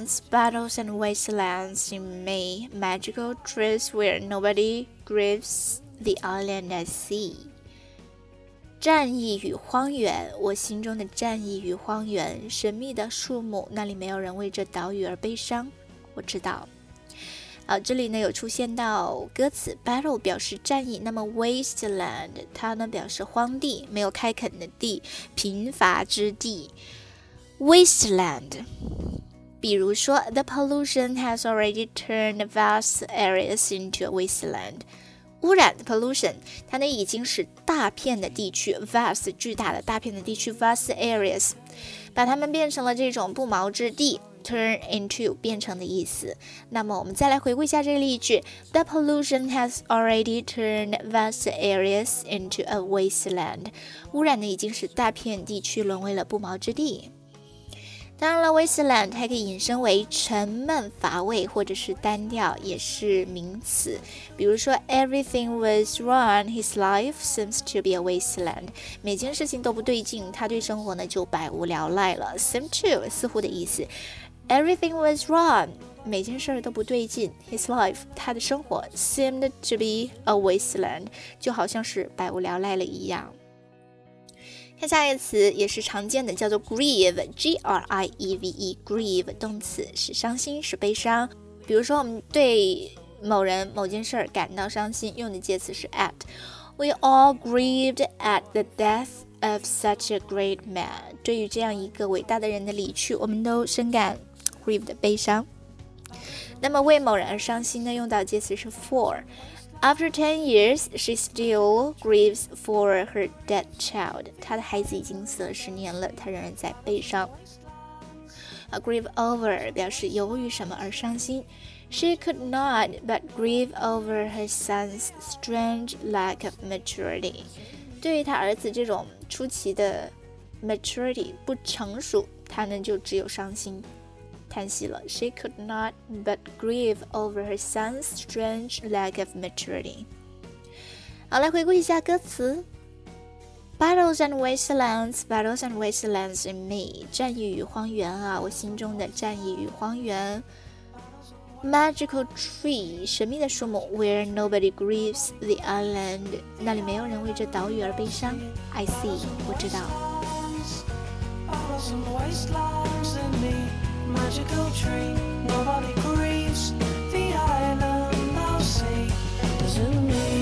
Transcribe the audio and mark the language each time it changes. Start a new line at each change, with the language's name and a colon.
English: Battles and wastelands in May, magical trees where nobody grieves the island I see.
Chinese: 战役与荒原，我心中的战役与荒原，神秘的树木，那里没有人为这岛屿而悲伤，我知道。这里呢有出现到歌词 battle 表示战役，那么 wasteland 它呢表示荒地，没有开垦的地，贫乏之地。
English: Wasteland，
Chinese: 比如说
English: The pollution has already turned vast areas into a wasteland。
Chinese: 污染 pollution 它呢已经使大片的地区 vast 巨大的大片的地区 vast areas 把它们变成了这种不毛之地。 turn into 变成的意思。那么我们再来回顾一下这个例句。
English: The pollution has already turned vast areas into a wasteland。
Chinese: 污染呢已经使大片地区沦为了不毛之地。当然了 wasteland 还可以引申为沉闷乏味或者是单调，也是名词。比如说
English: everything was wrong, his life seems to be a wasteland。
Chinese: 每件事情都不对劲，他对生活呢就百无聊赖了。
English: seem to
Chinese: 似乎的意思。
English: everything was wrong,
Chinese: 每件事都不对劲，
English: his life
Chinese: 他的生活
English: seemed to be a wasteland，
Chinese: 就好像是百无聊赖了一样。看下一个词也是常见的，叫做 grieve， G-R-I-E-V-E， grieve， 动词，是伤心，是悲伤。比如说我们对某人某件事感到伤心，用的介词是 at。
English: We all grieved at the death of such a great man.
Chinese: 对于这样一个伟大的人的离去，我们都深感 grieved 悲伤。那么为某人而伤心呢，用到介词是 for。
English: After 10 years, she still grieves for her dead child.
Chinese: 她的孩子已经死了十年了，她仍然在悲伤。Grieve over 表示由于什么而伤心。
English: She could not but grieve over her son's strange lack of maturity.
Chinese: 对于她儿子这种出奇的 maturity, 不成熟，她呢就只有伤心。叹息了。
English: She could not but grieve over her son's strange lack of maturity.
Chinese: 好，来回顾一下歌词。
English: Battles and wastelands, battles and wastelands in me.
Chinese: 战役与荒原啊，我心中的战役与荒原。
English: Magical tree,
Chinese: 神秘的树木。
English: Where nobody grieves the island,
Chinese: 那里没有人为这岛屿而悲伤。
English: I see,
Chinese: 我知道。
English: Battles and wastelands in meMagical tree, nobody grieves the island I'll see, as in me.